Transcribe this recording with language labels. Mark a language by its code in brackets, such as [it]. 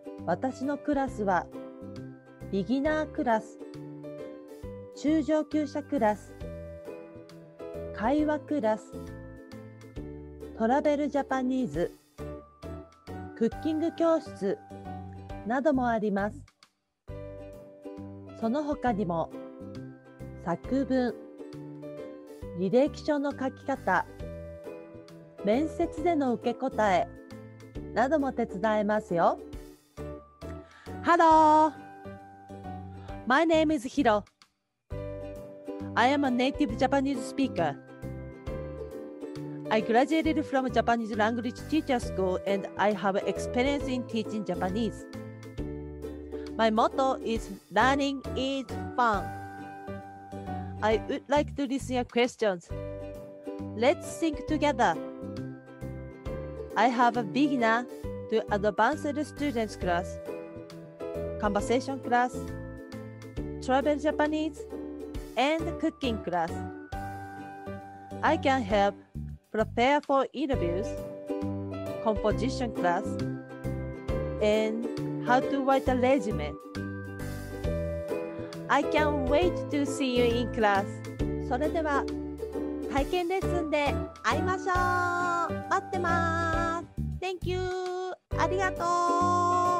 [ja] 私のクラスはビギナークラス、中上級者クラス、会話クラス、トラベルジャパニーズ、クッキング教室などもあります。その他にも作文、履歴書の書き方、面接での受け答えなども手伝えますよ。 [en] ハロー !My name is Hiro. I am a native Japanese speaker. I graduated from Japanese language teacher school and I have experience in teaching Japanese. My motto is Learning is fun. I would like to listen your questions. Let's think together. I have a beginner to advanced students class, conversation class, travel Japanese, and cooking class. I can help prepare for interviews, composition class, and how to write a resume. I can't wait to see you in class. [ja] それでは体験レッスンで会いましょう。待ってます。 [en] Thank you. [ja] ありがとう。